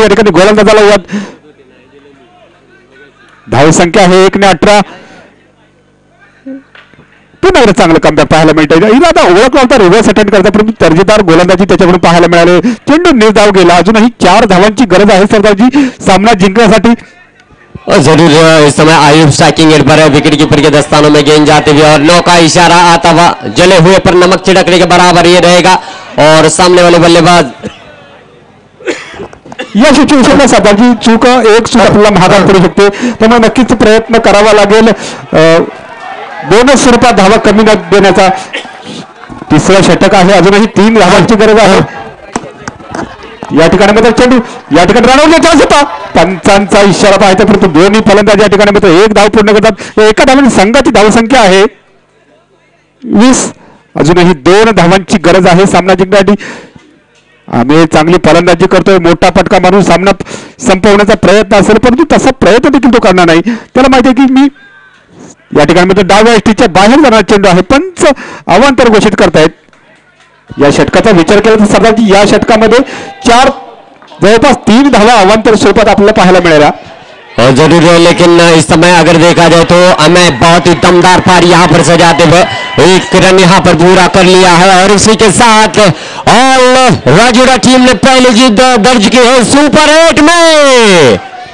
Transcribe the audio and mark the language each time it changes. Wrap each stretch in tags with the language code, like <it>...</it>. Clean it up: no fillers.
<mr>या ठिकाणी गोलंदाजाला उद्या धाव संख्या आहे 1-18। चांगलं कमबॅक पाहायला मिळतंय, इला ओळखला होता, रिव्हर्स अटेंड करता, परंतु दर्जेदार गोलंदाजी त्याच्याकडून पाहायला मिळाले। चेंडू निर्धाव गेला, अजूनही चार धावांची गरज आहे सरदारजी सामना जिंकण्यासाठी।</mr> <hi>जरूर इस समय आयुष स्ट्राइकिंग एट पर विकेट कीपर के दस्तानों में गेंद जाते हुए और नौ का इशारा आता हुआ, जले हुए पर नमक छिड़कने के बराबर ये रहेगा और सामने वाले बल्लेबाज</hi> <mr>या सिच्युएशनला सरदारजी चूक एक सुद्धा आपल्याला महागान करू शकते, त्यामुळे नक्कीच प्रयत्न करावा लागेल बोनस स्वरूपात धावा कमी न देण्याचा। तिसरा षटक आहे, अजूनही तीन धावांची गरज आहे। या ठिकाणी मात्र चेंडू या ठिकाणी रनवर चान्स होता, पंचांचा इशारा पाहायचा, परंतु दोन्ही फलंदाज या ठिकाणी मात्र एक धाव पूर्ण करतात। एका धावाने संघाची धाव संख्या आहे 20, अजूनही दोन धावांची गरज आहे सामना जिंकण्यासाठी। आम्ही चांगली फलंदाजी करतोय, मोठा फटका मारून सामना संपवण्याचा प्रयत्न असेल, परंतु तसा प्रयत्न देखील तो करणार नाही, त्याला माहिती आहे की मी या ठिकाणी मात्र डाव्या एसटीच्या बाहेर जाणारा चेंडू आहे, पंच अवांतर घोषित करतायत। या षटकाचा विचार केला तर सरदारजी या षटकामध्ये चार जवळपास तीन धावा अवांतर स्वरूपात आपल्याला पाहायला मिळाल्या।</mr> <hi>जरूर, लेकिन इस समय अगर देखा जाए तो हमें बहुत ही दमदार पारी यहाँ पर सजाते हुए एक रन यहाँ पर पूरा कर लिया है और इसी के साथ ऑल राजूरा टीम ने पहली जीत दर्ज की है सुपर 8 में।</hi>